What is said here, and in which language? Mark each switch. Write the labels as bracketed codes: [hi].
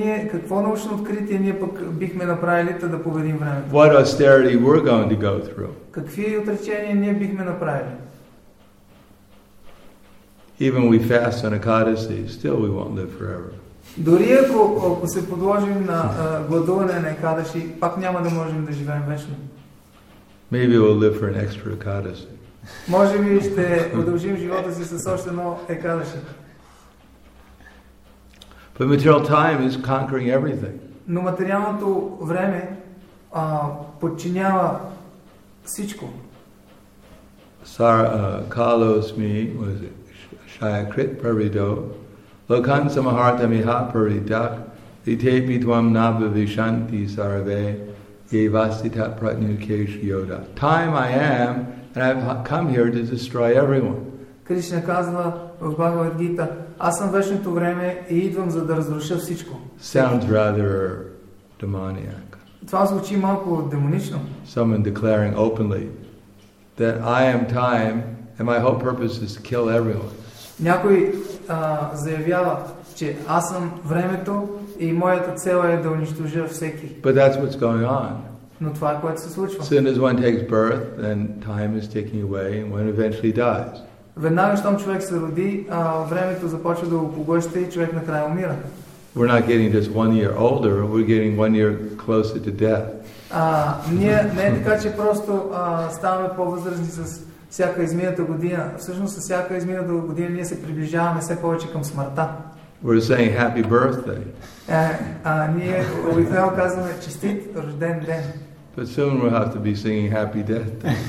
[bg] Какво научно откритие ние пък бихме направили, да победим времето? [en] What austerity we're going to go through? [bg] Какви отречения ние бихме направили? [en] Even we fast on Ekadasi, still we won't live forever. [bg] Дори ако се подложим на гладуване на Екадаши, пак няма да можем да живеем вечно. [en] Maybe we'll live for an extra Ekadasi. [bg] Може би ще продължим живота си с още едно Екадаши. [en] But material time is conquering everything. [bg] Но материалното време подчинява всичко. [sa] Kalo smi, [en] what is it? [sa] Shayakrit parido. Lokan samaharta miha paridak. Itepi tvam nabhavishanti sarave. Yevasita pratnukesh yoda. [en] Time I am, and I've come here to destroy everyone. [bg] Кришна казва в Бхагавад Гита: аз съм вечното време и идвам, за да разруша всичко. [en] Sounds rather demoniac. [bg] Това звучи малко демонично. [en] Someone declaring openly that I am time and my whole purpose is to kill everyone. [bg] Някой заявява, че аз съм времето и моята цел е да унищожа всеки. [en] But that's what's going on. [bg] Но това е, което се случва. [en] As soon as one takes birth, then time is taking away and one eventually dies. [bg] Веднага, щом човек се роди, времето започва да го поглъща и човек накрая умира. [en] We're not getting just one year older, we're getting one year closer to death. [bg] Ние не е така, че просто ставаме по-възрастни с всяка измината година. Всъщност, с всяка измината година ние се приближаваме все повече към смъртта. [en] We're saying happy birthday. [bg] Ние обикновено казваме честит рожден ден. [en] But soon we'll have to be singing happy death.